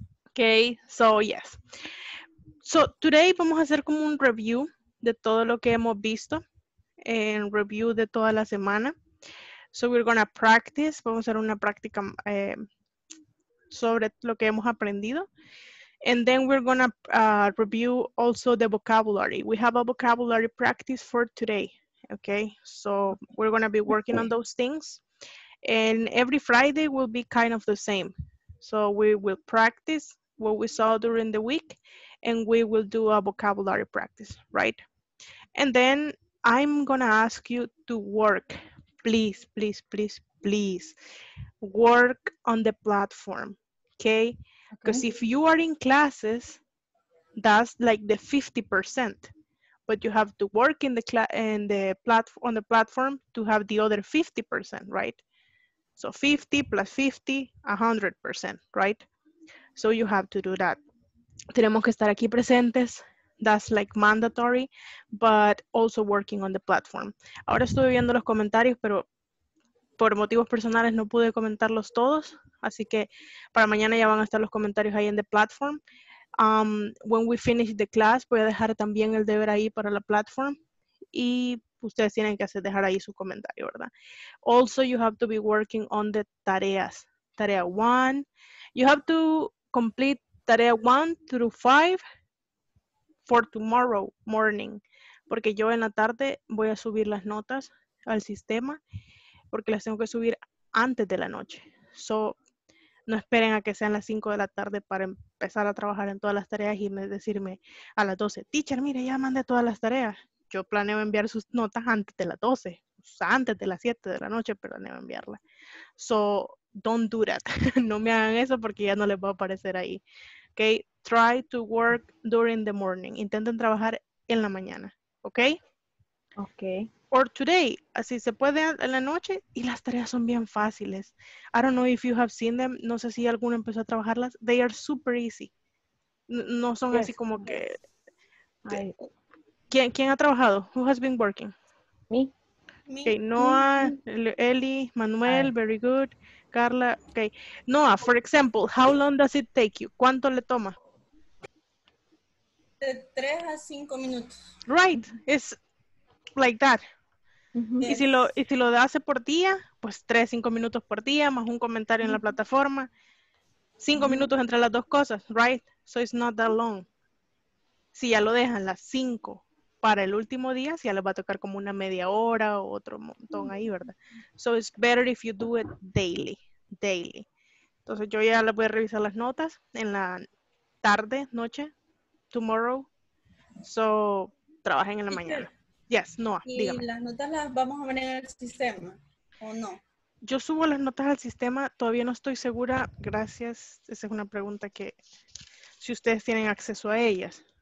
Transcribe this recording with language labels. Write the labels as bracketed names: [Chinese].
[English] Okay, so yes. So today [Spanish] vamos a hacer como un review de todo lo que hemos visto. En review de toda la semana. [English] So we're going to practice. [Spanish] Vamos a hacer una práctica sobre lo que hemos aprendido. [English] And then we're going to review also the vocabulary. We have a vocabulary practice for today, okay? So we're going to be working on those things. And every Friday will be kind of the same. So we will practice what we saw during the week, and we will do a vocabulary practice, right? And then I'm going to ask you to work. Please, please, please, please work on the platform, okay? Because if you are in classes, that's like the 50%. But you have to work in the on the platform to have the other 50%, right? So 50 plus 50, 100%, right? So you have to do that. [Spanish] Tenemos que estar aquí presentes. [English] That's like mandatory, but also working on the platform. [Spanish] Ahora estoy viendo los comentarios, pero por motivos personales no pude comentarlos todos. Así que para mañana ya van a estar los comentarios ahí en the platform. [English] When we finish the class, [Spanish] voy a dejar también el deber ahí para la platform. Y ustedes tienen que hacer, dejar ahí su comentario, ¿verdad? [English] Also, you have to be working on the tareas. Tarea 1. You have to complete tarea 1 through 5 for tomorrow morning. [Spanish] Porque yo en la tarde voy a subir las notas al sistema. Porque las tengo que subir antes de la noche. So, no esperen a que sean las 5 de la tarde para empezar a trabajar en todas las tareas y decirme a las 12, teacher, mire, ya mandé todas las tareas. Yo planeo enviar sus notas antes de las 12, o sea, antes de las 7 de la noche, planeo enviarlas. [English] So, don't do that. [Spanish] No me hagan eso porque ya no les va a aparecer ahí. [English] Okay, try to work during the morning. [Spanish] Intenten trabajar en la mañana, [English] okay? Okay. Or today, [Spanish] así se puede en la noche y las tareas son bien fáciles. [English] I don't know if you have seen them. [Spanish] No sé si alguno empezó a trabajarlas. [English] They are super easy. [Spanish] No son así como que... ¿Quién ha trabajado? [English] Who has been working? Me. Okay, Noah, Eli, Manuel, very good. Carla, okay. Noah, for example, how long does it take you? [Spanish] ¿Cuánto le toma? De 3 a 5 minutos. [English] Right, it's... like that. Mm-hmm. [Spanish] Y si lo hace por día, pues 3-5 minutos por día, más un comentario en la plataforma. 5 minutos entre las dos cosas, [English] right? So it's not that long. [Spanish] Si ya lo dejan las 5 para el último día, si ya les va a tocar como una media hora o otro montón ahí, ¿verdad? [English] So it's better if you do it daily. Daily. [Spanish] Entonces yo ya les voy a revisar las notas en la tarde, noche, tomorrow. So trabajen en la mañana. Yes, Noah, ¿y dígame. Las notas las vamos a poner al sistema o no? Yo subo las notas al sistema, todavía no estoy segura, gracias, esa es una pregunta que si ustedes tienen acceso a ellas,